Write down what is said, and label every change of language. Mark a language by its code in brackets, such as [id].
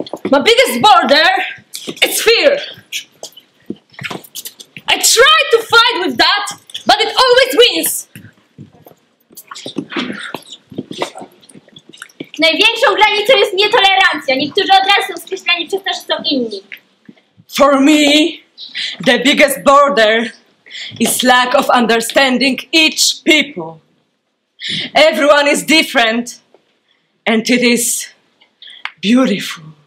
[en] My biggest border is fear. I try to fight with that, but it always wins. [pl] Największą granicą jest nietolerancja. Niektórzy od razu są skreślani przez to, że są inni. [en] For me, the biggest border is lack of understanding each people. Everyone is different, and it is beautiful.